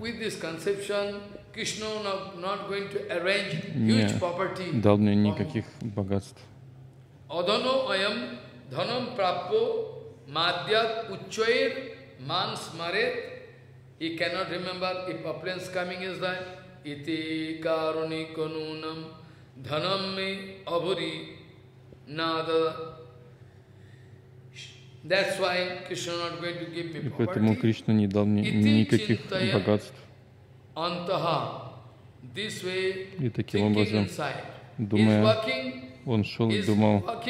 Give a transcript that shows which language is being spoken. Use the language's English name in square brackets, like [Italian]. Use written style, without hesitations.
[English] with this conception, Krishna not going to arrange huge property. [Russian] Не дал мне никаких богатств. [Sanskrit] Адхано аям дханам праппо мадьят уччайр ман смарет. [English] He cannot remember if opulence coming is there. [Sanskrit] Ити каруни канунам дханам ме абхури нада. [English] That's why Krishna not going to give me property. [Russian] И поэтому Кришна не дал мне никаких богатств. [English] Антаха, this way, [Russian] и таким образом, думая, он шел и думал.